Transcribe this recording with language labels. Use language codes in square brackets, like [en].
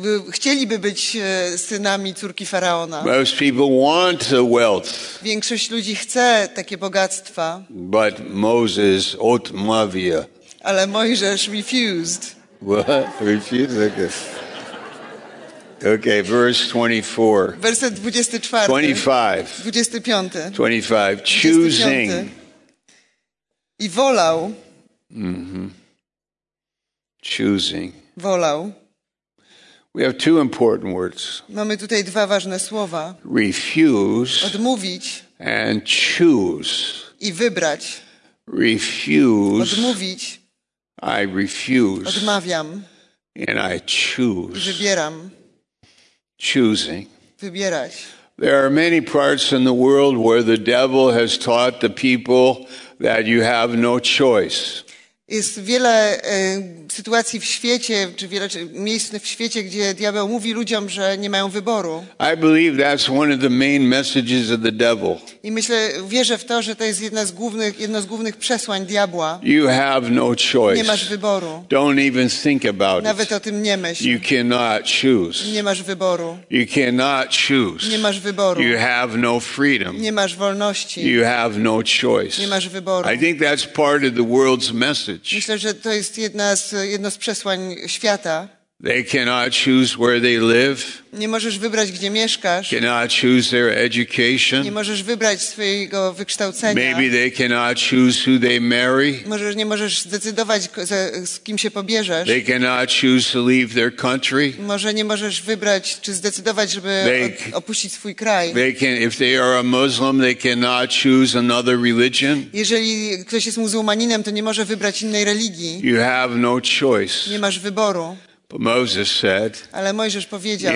[pl] Chcieliby być synami córki Faraona. [en] Most people want the wealth. [pl] Większość ludzi chce takie bogactwa. [en] But Moses [pl] odmawia. Ale Mojżesz [en] refused. What? Refused? Okay. Okay, verse 24. [pl] Werset 24. [en] 25. [pl] 25. [en] 25. Choosing. [pl] I wolał. [en] Mm-hmm. Choosing. [pl] Wolał. [en] We have two important words. [pl] Mamy tutaj dwa ważne słowa. [en] Refuse. [pl] Odmówić. [en] And choose. [pl] I wybrać. [en] Refuse. [pl] Odmówić. [en] I refuse. [pl] Odmawiam. [en] And I choose. [pl] Wybieram. [en] Choosing. [pl] Wybierać. [en] There are many parts in the world where the devil has taught the people that you have no choice. [pl] Jest wiele sytuacji w świecie, czy wiele miejsc w świecie, gdzie diabeł mówi ludziom, że nie mają wyboru. [en] I believe that's one of the main messages of the devil. [pl] I myślę, wierzę w to, że to jest jedno z głównych przesłań diabła. [en] You have no choice. [pl] Nie masz wyboru. [en] Don't even think about it. [pl] Nawet o tym nie myśl. [en] You cannot choose. [pl] Nie masz wyboru. [en] You cannot choose. [pl] Nie masz wyboru. [en] You have no freedom. [pl] Nie masz wolności. [en] You have no choice. [pl] Nie masz wyboru. [en] I think that's part of the world's message. [pl] Myślę, że to jest jedno z przesłań świata. [en] They cannot choose where they live. [pl] Nie możesz wybrać, gdzie mieszkasz. [en] Cannot choose their education. [pl] Nie możesz wybrać swojego wykształcenia. [en] Maybe they cannot choose who they marry. [pl] Nie możesz zdecydować, z kim się pobierzesz. [en] They cannot choose to leave their country. [pl] Może nie możesz wybrać, czy zdecydować, żeby opuścić swój kraj. [en] If they are a Muslim, they cannot choose another religion. [pl] Jeżeli ktoś jest muzułmaninem, to nie może wybrać innej religii. [en] You have no choice. [pl] Nie masz wyboru. [en] Moses said, [pl] ale Mojżesz powiedział,